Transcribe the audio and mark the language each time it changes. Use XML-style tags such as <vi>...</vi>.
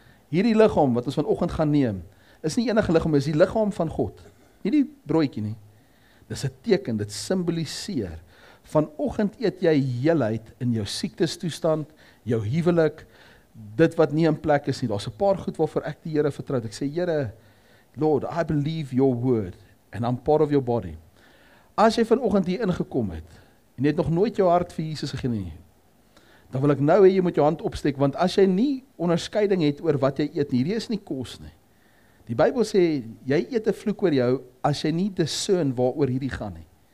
<af>Hierdie liggaam wat ons vanoggend gaan neem, is nie enige liggaam, is die liggaam van God. Nie die broodjie nie. Dit is 'n teken, dit simboliseer. Vanoggend eet jy heelheid in jou siektestoestand, jou huwelik, dit wat nie in plek is nie. Daar's 'n paar goed waarvoor ek die Here vertrou. Ek sê, Here,</af> <en>Lord, I believe your word and I'm part of your body.</en> <af>As jy vanoggend hier ingekom het en jy het nog nooit jou hart vir Jesus gegee nie, dan wil ek nou hê jy moet jou hand opsteek, want as jy nie onderskeiding het oor wat jy eet nie, hierdie is nie kos nie. Die Bybel sê, jy eet 'n vloek oor jou as jy nie discern waaroor hierdie gaan nie.</af>